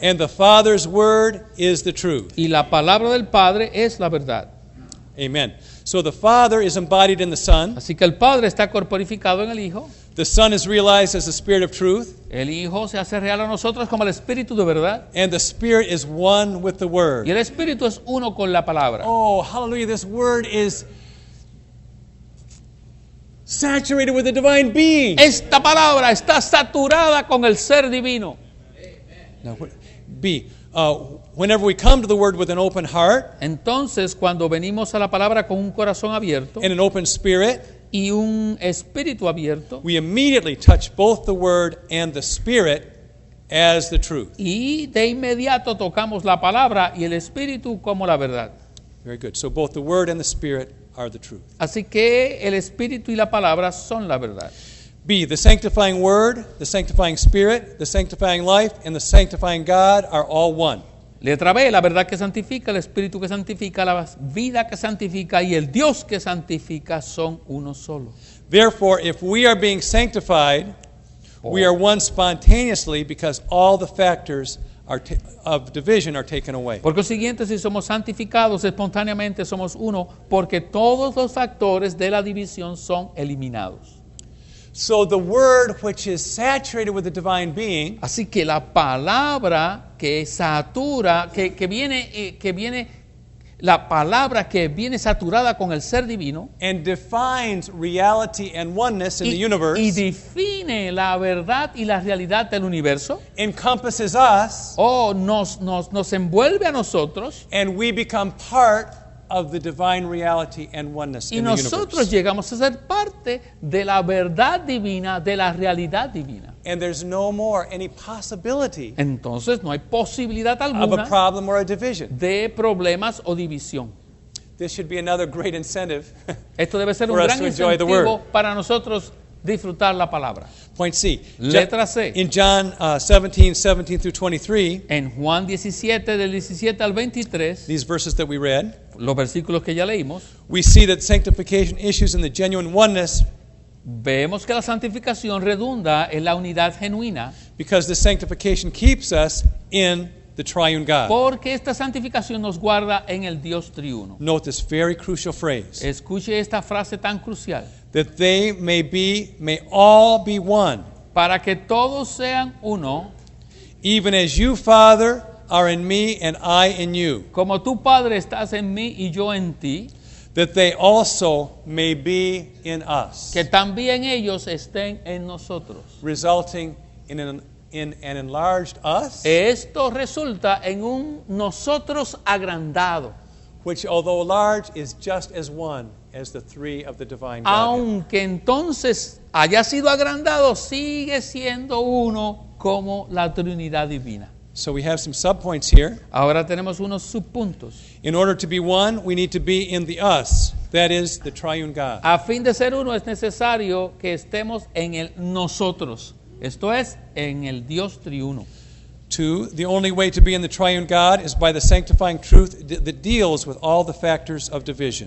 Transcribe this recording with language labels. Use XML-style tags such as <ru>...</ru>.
<en>And the Father's word is the truth.</en> <es>Y la palabra del Padre es la verdad.</es> <en>Amen. So the Father is embodied in the Son.</en> <es>Así que el Padre está corporificado en el Hijo.</es> <en>The Son is realized as the Spirit of truth.</en> <es>El Hijo se hace real a nosotros como el Espíritu de verdad.</es> <en>And the Spirit is one with the word.</en> <es>Y el Espíritu es uno con la palabra.</es> <en>Oh, hallelujah, this word is saturated with the divine being.</en> <es>Esta palabra está saturada con el ser divino.</es> <en>Now, B. Whenever we come to the word with an open heart,</en> <es>entonces cuando venimos a la palabra con un corazón abierto,</es> <en>and an open spirit,</en> <es>y un espíritu abierto,</es> <en>we immediately touch both the word and the spirit as the truth.</en> <es>Y de inmediato tocamos la palabra y el espíritu como la verdad.</es> <en>Very good. So both the word and the spirit are the truth.</en> <es>Así que el espíritu y la palabra son la verdad.</es> <en>B, the sanctifying word, the sanctifying spirit, the sanctifying life, and the sanctifying God are all one.</en> <es>Letra B, la verdad que santifica, el espíritu que santifica, la vida que santifica y el Dios que santifica son uno solo.</es> <en>Therefore, if we are being sanctified, we are one spontaneously because all the factors of division are taken away.</en> <es>Por consiguiente, si somos santificados espontáneamente, somos uno, porque todos los factores de la división son eliminados.</es> <en>So the word which is saturated with the divine being,</en> <es>así que la palabra que satura, que viene la palabra que viene saturada con el ser divino</es> <en>and defines reality and oneness in the universe,</en> <es>y define la verdad y la realidad del universo,</es> <en>encompasses us,</en> <es>nos envuelve a nosotros,</es> <en>and we become part of the divine reality and oneness in the universe.</en> <es>Y nosotros llegamos a ser parte de la verdad divina, de la realidad divina.</es> <en>And there's no more any possibility.</en> <es>Entonces no hay posibilidad alguna</es> <en>of a problem or a division.</en> <es>De problemas o división.</es> <en>This should be another great incentive.</en> <es>Esto debe ser un gran incentivo para nosotros disfrutar la palabra.</es> <en>Point C.</en> <es>Letra C.</es> <en>In John 17:17-23.</en> <es>En Juan 17 del 17 al 23.</es> <en>These verses that we read.</en> <es>Los versículos que ya leímos.</es> <en>We see that sanctification issues in the genuine oneness.</en> <es>Vemos que la santificación redunda en la unidad genuina.</es> <en>Because the sanctification keeps us in the triune God.</en> <es>Porque esta santificación nos guarda en el Dios triuno.</es> <en>Note this very crucial phrase.</en> <es>Escuche esta frase tan crucial.</es> <en>That they may all be one.</en> <es>Para que todos sean uno.</es> <en>Even as you, Father, are in me and I in you.</en> <es>Como tú, Padre, estás en mí y yo en ti.</es> <en>That they also may be in us.</en> <es>Que también ellos estén en nosotros.</es> <en>Resulting in an enlarged us.</en> <es>Esto resulta en un nosotros agrandado.</es> <en>Which, although large, is just as one as the three of the divine Godhead.</en> <es>Aunque entonces haya sido agrandado, sigue siendo uno como la Trinidad divina.</es> <en>So we have some subpoints here.</en> <es>Ahora tenemos unos subpuntos.</es> <en>In order to be one, we need to be in the us, that is, the triune God.</en> <es>A fin de ser uno, es necesario que estemos en el nosotros, esto es, en el Dios triuno.</es> <en>Two, the only way to be in the triune God is by the sanctifying truth that deals with all the factors of division.</en>